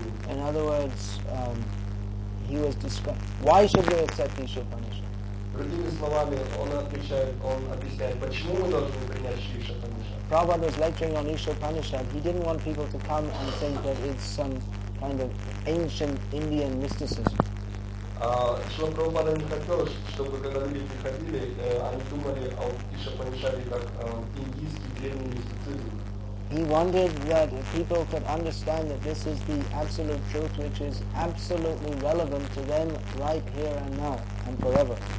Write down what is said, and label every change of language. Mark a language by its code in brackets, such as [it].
[en] In other words, he was describing, why should we accept Yashopanishad? [ru] Другими словами, он объясняет, почему мы должны принять Шри Ишопанишад. [en] Prabhupada was lecturing on Ишопанишад. He didn't want people to come and think that it's some kind of ancient Indian mysticism. [ru] Шрила Прабхупада не хотел, чтобы когда люди приходили, они думали о Ишопанишаде как индийский древний мистицизм. [en] He wanted that people could understand that this is the absolute truth which is absolutely relevant to them right here and now and forever.